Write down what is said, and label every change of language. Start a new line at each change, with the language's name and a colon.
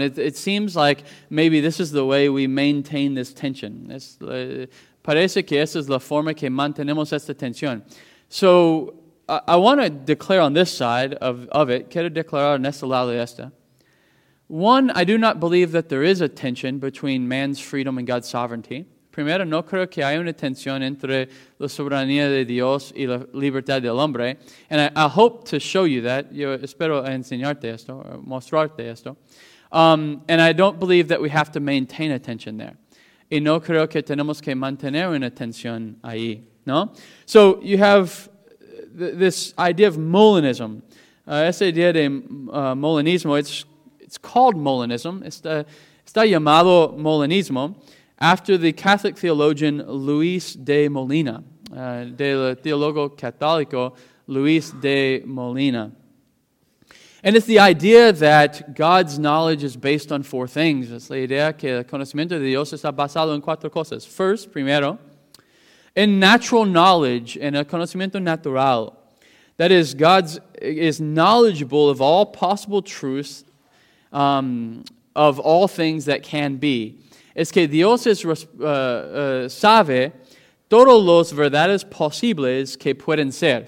English: It seems like maybe this is the way we maintain this tension.
Spanish: Parece que esa es la forma que mantenemos esta tensión.
English: So I want to declare on this side of it,
Spanish: quiero declarar en este lado de esta.
English: One, I do not believe that there is a tension between man's freedom and God's sovereignty.
Spanish: Primero, no creo que haya una tensión entre la soberanía de Dios y la libertad del hombre.
English: And I hope to show you that.
Spanish: Yo espero enseñarte esto, or mostrarte esto.
English: And I don't believe that we have to maintain a tension there.
Spanish: Y no creo que tenemos que mantener una tensión ahí, ¿no?
English: So you have this idea of Molinism.
Spanish: Esa idea de Molinismo,
English: it's called Molinism.
Spanish: Está llamado Molinismo.
English: After the Catholic theologian Luis de Molina,
Spanish: del teólogo católico
English: Luis de Molina. And it's the idea that God's knowledge is based on four things.
Spanish: Es la idea que el conocimiento de Dios está basado en cuatro cosas.
English: First, primero, in natural knowledge, in
Spanish: el conocimiento natural.
English: That is, God is knowledgeable of all possible truths, of all things that can be.
Spanish: Es que Dios sabe todos los verdades posibles que pueden ser.